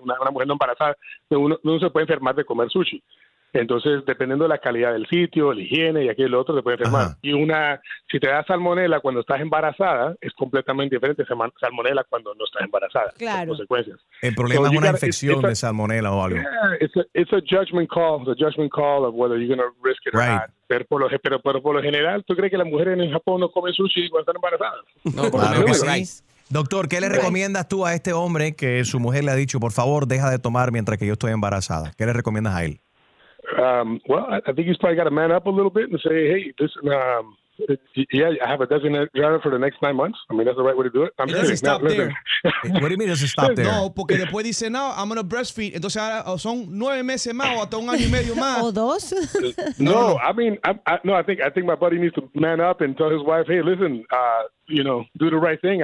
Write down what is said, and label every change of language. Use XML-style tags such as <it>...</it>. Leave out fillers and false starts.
<es>Una mujer no embarazada, uno se puede enfermar de comer sushi. Entonces, dependiendo de la calidad del sitio, la higiene y aquello y lo otro, te puede enfermar. Ajá. Y una, si te da salmonela cuando estás embarazada, es completamente diferente a salmonela cuando no estás embarazada. Claro. Consecuencias. El problema es una infección de salmonela o algo.</es> <en>It's a judgment call of whether you're going to risk it right. Or not.</en> <es>Pero por lo general, ¿tú crees que las mujeres en Japón no comen sushi cuando están embarazadas? No, claro que sí. Doctor, ¿qué le recomiendas tú a este hombre que su mujer le ha dicho, por favor, deja de tomar mientras que yo estoy embarazada? ¿Qué le recomiendas a él?</es> <en>I think he's probably got to man up a little bit and say, hey, listen, I have a designated driver for the next 9 months. I mean, that's the right way to do it. I'm just not living. What do you mean it doesn't stop there?</en> <es>No, porque después dice, no,</es> <en>I'm going to breastfeed.</en> <es>Entonces ahora son 9 meses más o hasta un año y medio más. O dos.</es> <en>I think my buddy needs to man up and tell his wife, hey, listen, you know, do the right thing.</en>